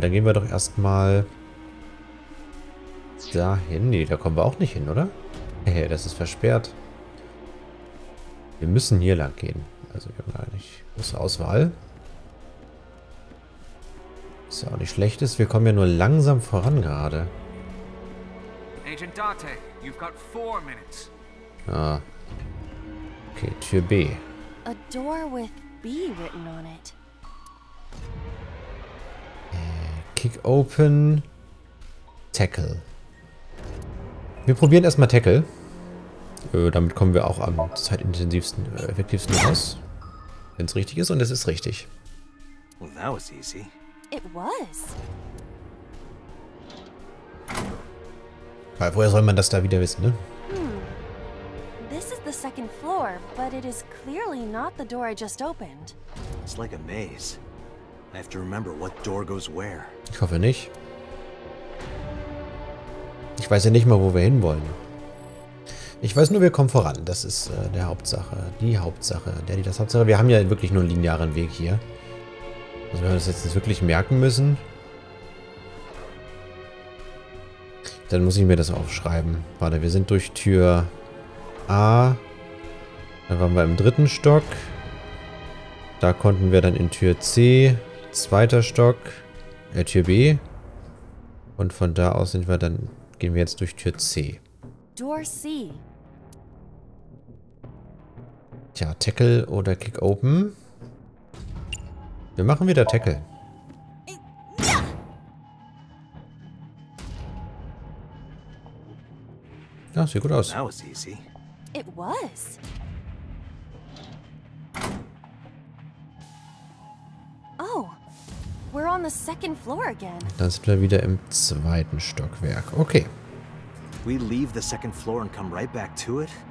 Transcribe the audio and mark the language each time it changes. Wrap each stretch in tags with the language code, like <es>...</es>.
<de>Dann gehen wir doch erstmal dahin. Nee, da kommen wir auch nicht hin, oder? Hey, das ist versperrt. Wir müssen hier lang gehen. Also wir haben gar nicht große Auswahl. Was ja auch nicht schlecht ist. Wir kommen ja nur langsam voran gerade.</de> <en>Agent Date, you've got 4 minutes.</en> <de>Ah. Okay, Tür B.</de> <en>A door with B written on it. Kick open. Tackle.</en> <de>Wir probieren erstmal Tackle. Damit kommen wir auch am zeitintensivsten, effektivsten raus. Wenn es richtig ist, und es ist richtig.</de> <en>Well, that was easy. It was.</en> <de>Weil woher soll man das da wieder wissen, ne?</de> <en>This is the second floor, but it is clearly not the door I just opened. It's like a maze. I have to remember what door goes where.</en> <de>Ich hoffe nicht. Ich weiß ja nicht mal, wo wir hin wollen. Ich weiß nur, wir kommen voran. Das ist der Hauptsache. Die Hauptsache. Der, die das Hauptsache. Wir haben ja wirklich nur einen linearen Weg hier. Also wenn wir das jetzt wirklich merken müssen, dann muss ich mir das aufschreiben. Warte, wir sind durch Tür A. Dann waren wir im dritten Stock. Da konnten wir dann in Tür C. Zweiter Stock. Tür B. Und von da aus sind wir dann, gehen wir jetzt durch Tür C.</de> <en>Door C.</en> <de>Tja, Tackle oder Kick Open. Wir machen wieder Tackle. Ja, sieht gut aus.</de> <en>That was easy. It was. Oh, we're on the second floor again.</en> <de>Dann sind wir wieder im zweiten Stockwerk. Okay.</de> <en>We leave the second floor and come right back to it?</en>